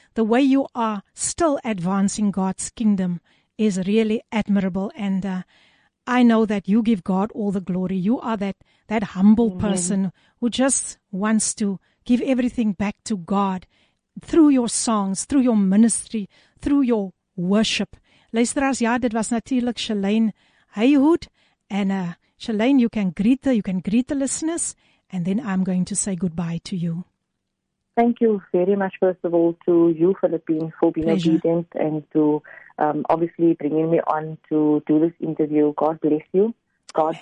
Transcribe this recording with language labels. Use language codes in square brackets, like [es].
[en] The way you are still advancing God's kingdom is really admirable. And I know that you give God all the glory. You are that humble Amen. Person who just wants to give everything back to God through your songs, through your ministry, through your worship. [nl] Luisteraars, ja, dit was natuurlijk Shalane Heyhood. [en] And Shalane, you can greet the listeners, and then I'm going to say goodbye to you. Thank you very much, first of all, to you, Philippine, for being Pleasure. Obedient and to obviously bringing me on to do this interview. God bless you. God